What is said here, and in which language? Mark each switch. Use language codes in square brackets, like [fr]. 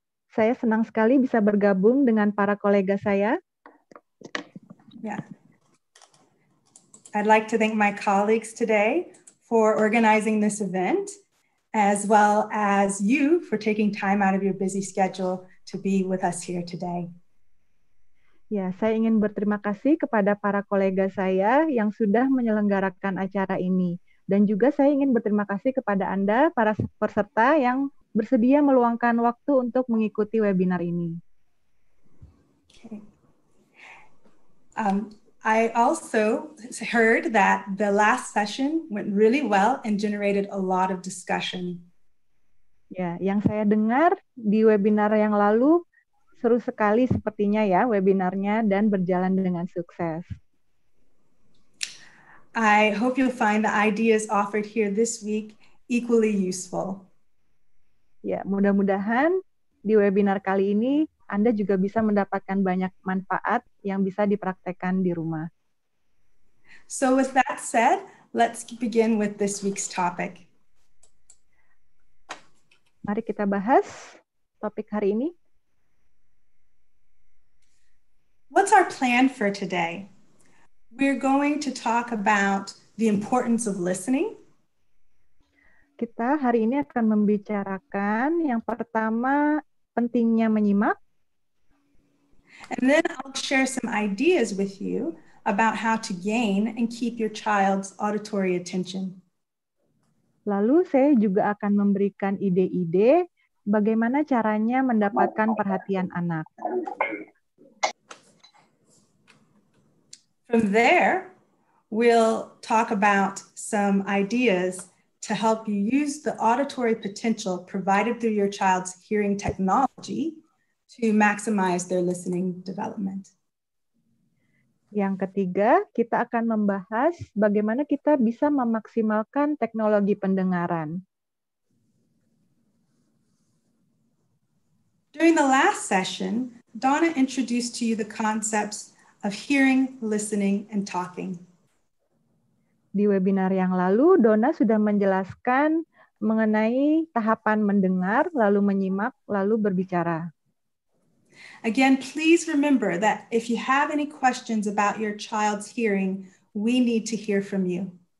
[id] Saya senang sekali bisa bergabung dengan para kolega saya. [en] Yeah. I'd like to thank my colleagues today for organizing this event, as well as you for taking time out of your busy schedule to be with us here today. [id] Ya, saya ingin berterima kasih kepada para kolega saya yang sudah menyelenggarakan acara ini. Dan juga saya ingin berterima kasih kepada Anda, para peserta yang bersedia meluangkan waktu untuk mengikuti webinar ini. [en] Okay. I also heard that the last session went really well and generated a lot of discussion. [id] Ya, yang saya dengar di webinar yang lalu, seru sekali sepertinya ya webinarnya dan berjalan dengan sukses. [en] I hope you'll find the ideas offered here this week equally useful. [id] Ya, mudah-mudahan di webinar kali ini Anda juga bisa mendapatkan banyak manfaat yang bisa dipraktekkan di rumah. [en] So with that said, let's begin with this week's topic. [id] Mari kita bahas topik hari ini. [en] What's our plan for today? We're going to talk about the importance of listening. [id] Kita hari ini akan membicarakan yang pertama pentingnya menyimak. [en] And then I'll share some ideas with you about how to gain and keep your child's auditory attention. [id] Lalu saya juga akan memberikan ide-ide bagaimana caranya mendapatkan perhatian anak. [en] From there, we'll talk about some ideas to help you use the auditory potential provided through your child's hearing technology to maximize their listening development. [id] Yang ketiga, kita akan membahas bagaimana kita bisa memaksimalkan teknologi pendengaran. [en] During the last session, Donna introduced to you the concepts of hearing, listening, and talking. [id] Di webinar yang lalu, Donna sudah menjelaskan mengenai tahapan mendengar, lalu menyimak, lalu berbicara. [en] Again, please remember that if you have any questions about your child's hearing, we need to hear from you.